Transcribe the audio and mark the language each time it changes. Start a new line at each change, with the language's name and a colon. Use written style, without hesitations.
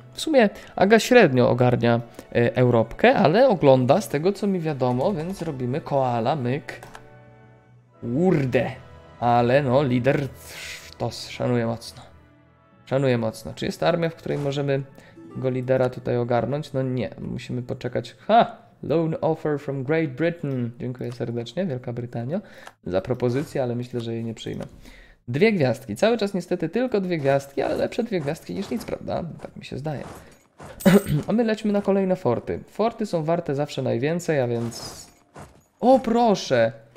Polish: W sumie Aga średnio ogarnia Europkę, ale ogląda z tego, co mi wiadomo, więc robimy koala, myk. Kurde, ale no, lider to szanuje mocno. Szanuje mocno. Czy jest armia, w której możemy go lidera tutaj ogarnąć? No nie, musimy poczekać. Ha!
English: Loan offer from Great Britain.
Polish: Dziękuję serdecznie, Wielka Brytania, za propozycję, ale myślę, że jej nie przyjmę. Dwie gwiazdki. Cały czas niestety tylko dwie gwiazdki, ale lepsze dwie gwiazdki niż nic, prawda? Tak mi się zdaje. A my lećmy na kolejne forty. Forty są warte zawsze najwięcej, a więc... O, proszę!